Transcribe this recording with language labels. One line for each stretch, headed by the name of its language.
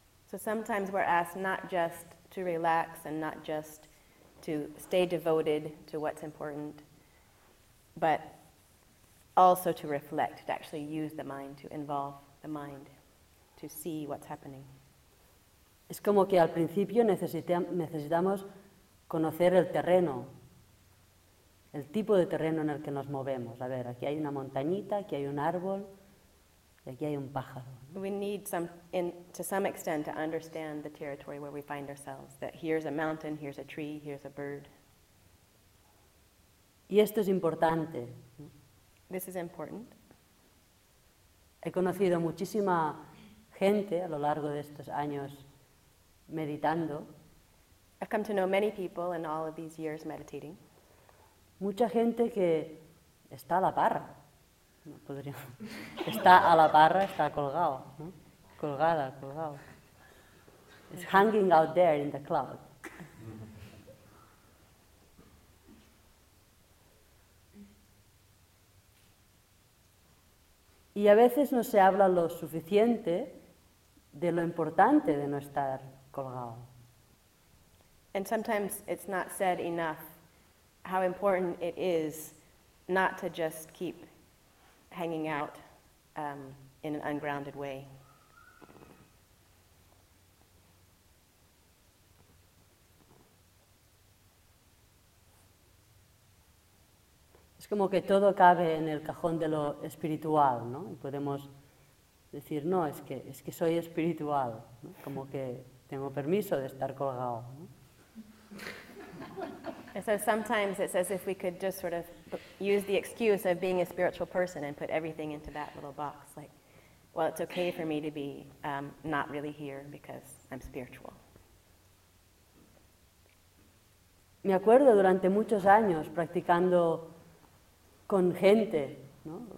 English: So sometimes we're asked not just to relax and not just to stay devoted to what's important, but also to reflect, to actually use the mind, to involve the mind, to see what's happening.
Spanish: Es como que al principio necesitamos conocer el terreno, el tipo de terreno en el que nos movemos. A ver, aquí hay una montañita, aquí hay un árbol, y aquí hay un pájaro.
English: We need to some extent to understand the territory where we find ourselves, that here's a mountain, here's a tree, here's a bird.
Spanish: Y esto es importante.
English: This is important.
Spanish: He conocido muchísima gente a lo largo de estos años meditando.
English: I've come to know many people in all of these years meditating.
Spanish: Mucha gente que está a la parra. No podría. Está a la parra, está colgado, ¿no? Colgada, colgado.
English: It's hanging out there in the cloud.
Spanish: Y a veces no se habla lo suficiente de lo importante de no estar colgado.
English: And sometimes it's not said enough how important it is not to just keep hanging out in an ungrounded way.
Spanish: Es como que todo cabe en el cajón de lo espiritual, ¿no? Y podemos decir, no, es que soy espiritual, ¿no? Como que tengo permiso de estar colgado, ¿no?
English: And so sometimes it's as if we could just sort of use the excuse of being a spiritual person and put everything into that little box, like, well, it's okay for me to be not really here because I'm spiritual.
Spanish: Me acuerdo durante muchos años practicando con gente, ¿no?